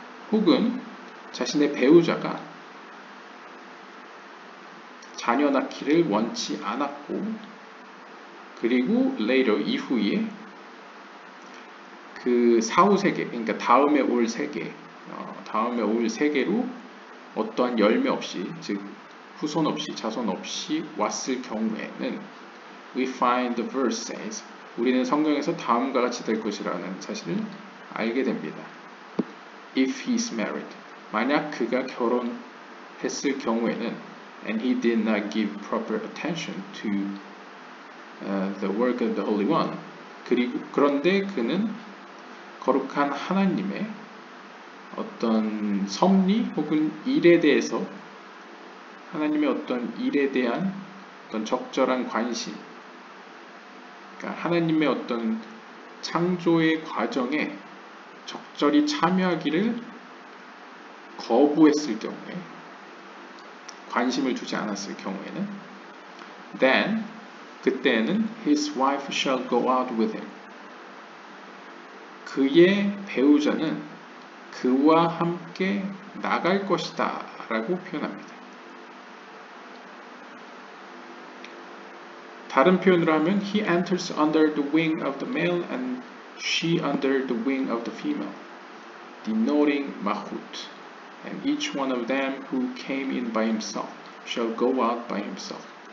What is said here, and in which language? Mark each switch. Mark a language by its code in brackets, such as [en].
[ko] 혹은 자신의 배우자가 자녀 낳기를 원치 않았고, 그리고 later 이후에 그 사후 세계, 그러니까 다음에 올 세계, 다음에 올 세계로 어떠한 열매 없이, 즉 후손 없이, 자손 없이 왔을 경우에는 [en] we find the verse says, [ko] 우리는 성경에서 다음과 같이 될 것이라는 사실을 알게 됩니다. [en] If he is married, [ko] 만약 그가 결혼했을 경우에는 [en] and he did not give proper attention to the work of the Holy One. [ko] 그런데 그는 거룩한 하나님의 어떤 섭리 혹은 일에 대해서, 하나님의 어떤 일에 대한 어떤 적절한 관심, 그러니까 하나님의 어떤 창조의 과정에 적절히 참여하기를 거부했을 경우에, 관심을 두지 않았을 경우에는, then 그때는 [en] his wife shall go out with him. [ko] 그의 배우자는 그와 함께 나갈 것이다 라고 표현합니다. 다른 표현으로 하면 [en] he enters under the wing of the male and she under the wing of the female, denoting mahut. And each one of them who came in by himself shall go out by himself.